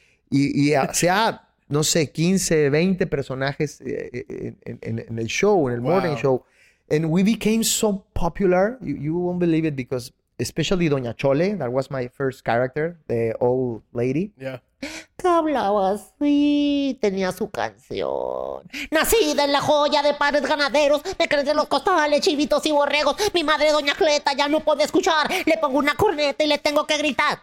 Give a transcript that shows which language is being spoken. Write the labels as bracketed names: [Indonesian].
[Spanish] Y hacía, no sé, 15, 20 personajes en el show, en el morning show. [English] And we became so popular, you won't believe it, because especially Doña Chole, that was my first character, the old lady. Yeah. [Spanish] Que hablaba así, tenía su canción. Nacida en la joya de padres ganaderos, me crecen los costales, chivitos y borregos. Mi madre, Doña Cleta, ya no puede escuchar. Le pongo una corneta y le tengo que gritar.